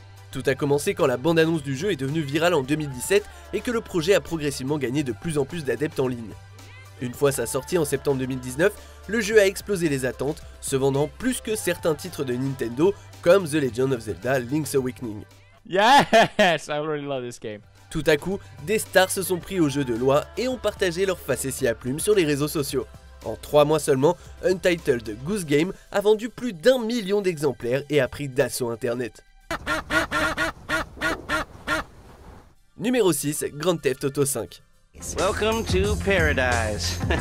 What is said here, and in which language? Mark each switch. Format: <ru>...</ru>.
<fr>Tout a commencé quand la bande-annonce du jeu est devenue virale en 2017 et que le projet a progressivement gagné de plus en plus d'adeptes en ligne. Une fois sa sortie en septembre 2019, le jeu a explosé les attentes, se vendant plus que certains titres de Nintendo comme The Legend of Zelda Link's Awakening.</fr> <en>Yes, I really love this game.</en> <fr>Tout à coup, des stars se sont pris au jeu de loi et ont partagé leurs facéties à plumes sur les réseaux sociaux. En 3 mois seulement, Untitled Goose Game a vendu plus d'un million d'exemplaires et a pris d'assaut internet. Numéro 6, Grand Theft Auto 5. Welcome to paradise.</fr>